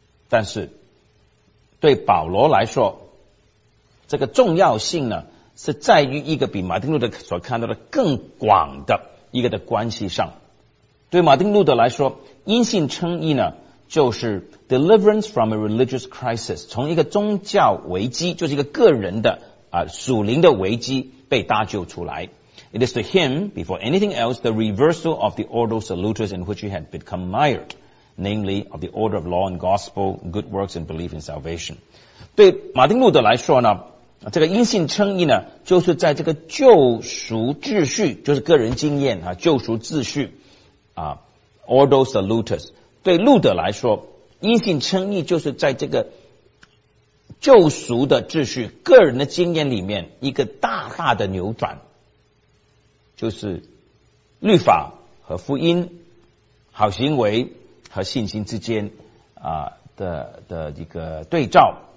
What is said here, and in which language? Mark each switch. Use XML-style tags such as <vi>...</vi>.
<zh>但是对保罗来说，这个重要性呢是在于一个比马丁路德所看到的更广的一个的关系上。对马丁路德来说，因信称义呢就是</zh> <en>deliverance from a religious crisis，</en> <zh>从一个宗教危机，就是一个个人的属灵的危机被搭救出来。</zh> <en>It is to him before anything else the reversal of the ordo salutis in which he had become mired。 namely of the order of law and gospel, good works and belief in salvation.</en> <zh>对马丁路德来说呢，这个因信称义呢，就是在这个救赎秩序，就是个人经验啊，救赎秩序啊 ，Ordo Salutis。对路德来说，因信称义就是在这个救赎的秩序、个人的经验里面一个大大的扭转，就是律法和福音、好行为和信心之间啊的一个对照。</zh>